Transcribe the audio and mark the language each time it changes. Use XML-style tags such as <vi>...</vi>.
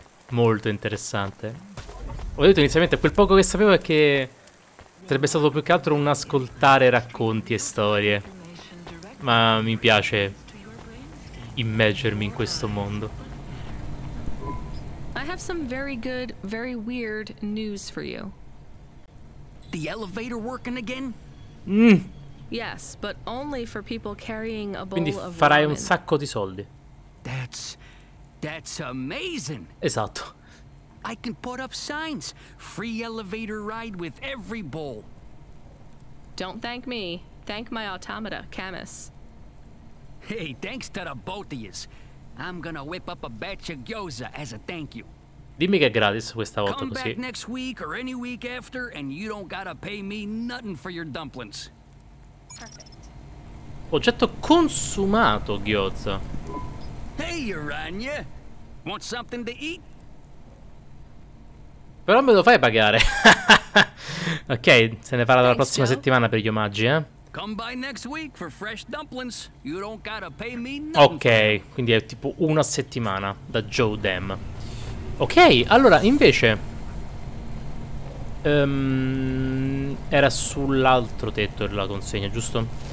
<it>Molto interessante. Ho detto inizialmente, quel poco che sapevo è che sarebbe stato più che altro un ascoltare racconti e storie. Ma mi piace immergermi in questo mondo.</it> <en>I have some very good, very weird news for you. The elevator working again? Yes, but only for people carrying a bowl.</en> <it>Quindi farai un sacco di soldi.</it> <en>That's amazing.</en> <it>Esatto.</it> <en>I can put up signs. Free elevator ride with every bowl. Don't thank me. Thank my automata, Camus. Hey, thanks to the both of yous. I'm gonna whip up a batch of gyoza as a thank you.</en> <it>Dimmi che è gratis questa volta, come così.</it> <en>Come back next week or any week after and you don't gotta pay me nothing for your dumplings. Perfect.</en> <it>Oggetto consumato, Gyoza.</it> <en>Hey, Aranya. Want something to eat?</en> <it>Però me lo fai pagare. Ok, se ne parla la prossima settimana per gli omaggi, eh.</it> <en>Come by next week for fresh dumplings. You don't gotta pay me nothing.</en> <it>Ok, quindi è tipo una settimana da Joe Dam. Ok, allora, invece era sull'altro tetto la consegna, giusto?</it>